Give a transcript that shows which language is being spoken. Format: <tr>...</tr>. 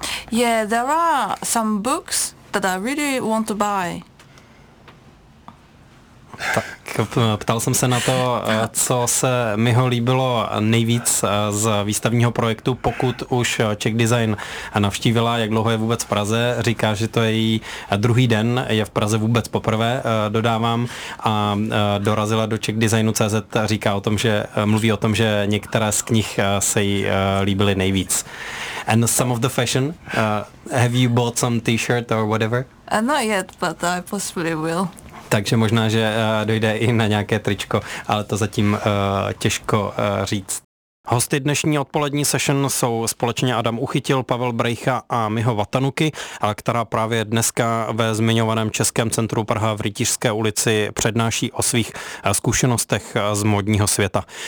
<en>Yeah, there are some books that I really want to buy.</en> <cs>Tak ptal jsem se na to, co se mi ho líbilo nejvíc z výstavního projektu, pokud už Czech Design navštívila, jak dlouho je vůbec v Praze, říká, že to je její druhý den, je v Praze vůbec poprvé, dodávám, a dorazila do czechdesignu.cz, říká o tom, že mluví o tom, že některé z knih se jí líbily nejvíc.</cs> <en>And some of the fashion, have you bought some t-shirt or whatever? Not yet, but I possibly will.</en> <cs>Takže možná, že dojde i na nějaké tričko, ale to zatím těžko říct. Hosty dnešní odpolední session jsou společně Adam Uchytil, Pavel Brejcha a Miho Vatanuki, která právě dneska ve zmiňovaném Českém centru Praha v Rytířské ulici přednáší o svých zkušenostech z modního světa.</cs>